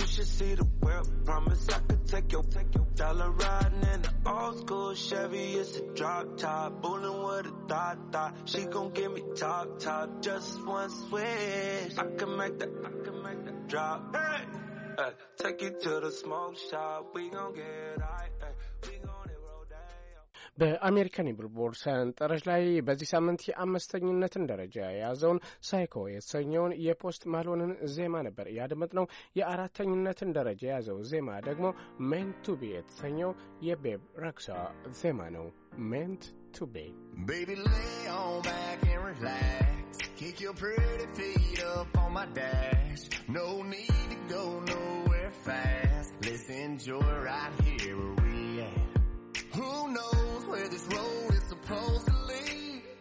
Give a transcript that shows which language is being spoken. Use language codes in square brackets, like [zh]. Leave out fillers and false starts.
[en] You should see the whip. Promise I could take your dollar riding in the old school Chevy. It's a drop top, booming with a dot dot. She gon' give me top top, just one switch. I can make the drop. Hey, take you to the smoke shop. We gon' get high. [am] በአሜሪካን ቢልቦርድ ሰንጠረዥ ላይ በዚህ ሳምንት የአምስተኝነትን ደረጃ የያዘውን ሳይኮ የተሰኘውን የፖስት ማሎንን ዜማ ነበር ያደመጥነው። የአራተኝነትን ደረጃ የያዘው ዜማ ደግሞ ሜንት ቱ ቢ የተሰኘው የቤብ ረክሳ ዜማ ነው። ሜንት ቱ ቢ [en] Baby lay on back and relax. Kick your pretty feet up on my dash. No need to go nowhere fast. Let's enjoy right here where we at. Who knows where this road is supposed to lead?